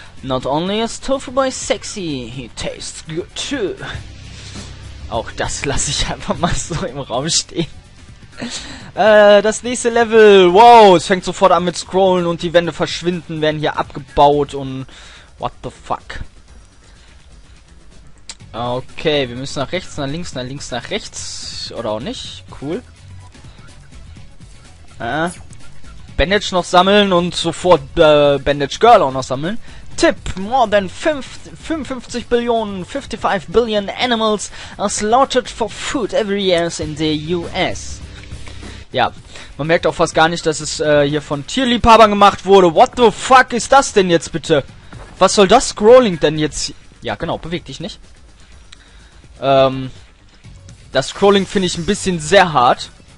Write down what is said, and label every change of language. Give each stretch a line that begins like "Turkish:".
English: Not only is Tofu Boy sexy, he tastes good too.
German: Auch das lasse ich einfach mal so im Raum stehen. Das nächste Level, wow, es fängt sofort an mit Scrollen und die Wände verschwinden, werden hier abgebaut und
English: what the fuck.
German: Okay, wir müssen nach rechts, nach links, nach links, nach rechts, oder auch nicht, cool. Bandage noch sammeln und sofort Bandage Girl auch noch sammeln.
English: Tip, more than 55 billion, 55 billion animals are slaughtered for food every year in the US.
German: Ja, man merkt auch fast gar nicht, dass es hier von Tierliebhabern gemacht wurde.
English: What the fuck
German: ist das denn jetzt bitte? Was soll das Scrolling denn jetzt? Ja, genau, beweg dich nicht. Das Scrolling finde ich ein bisschen sehr hart.